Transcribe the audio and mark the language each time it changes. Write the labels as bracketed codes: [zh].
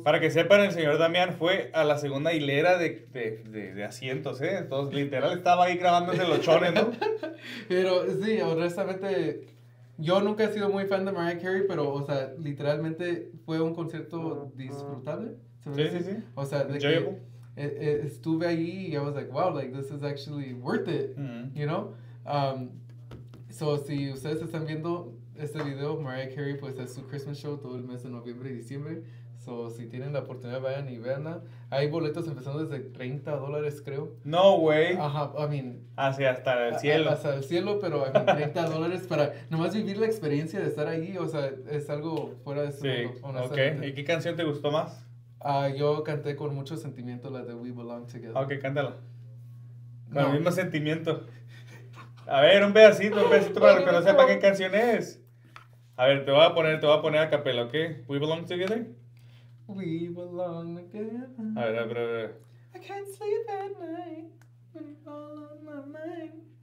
[es] Para que sepan, el señor Damián fue a la segunda hilera de asientos, ¿eh? Entonces, literal, estaba ahí grabándose los chones, ¿no? Pero, sí, honestamente, yo nunca he sido muy fan de Mariah Carey, pero, o sea, literalmente fue un concierto disfrutable. Sí. O sea, de que estuve ahí y [en] I was like, wow, like, this is actually worth it, you know? [es] So, si ustedes están viendo este video, Mariah Carey, pues es su Christmas show todo el mes de noviembre y diciembre. So, si tienen la oportunidad, vayan y veanla. Hay boletos empezando desde $30, creo. [en] No way. Ajá, I mean. [es] Así hasta el cielo. Hasta el cielo, pero [en] I mean, [es] $30 para nomás vivir la experiencia de estar ahí. O sea, es algo fuera de su mundo, honestamente. Ok, ¿y qué canción te gustó más? Yo canté con mucho sentimiento la de We Belong Together. Ok, cántala. Con el mismo sentimiento. A ver, un pedacito para que no sepa qué canción es. A ver, te voy a poner a capela, ¿ok? [en] We Belong Together. We belong together. [es] A ver. [en] I can't sleep at night when you're all on my mind.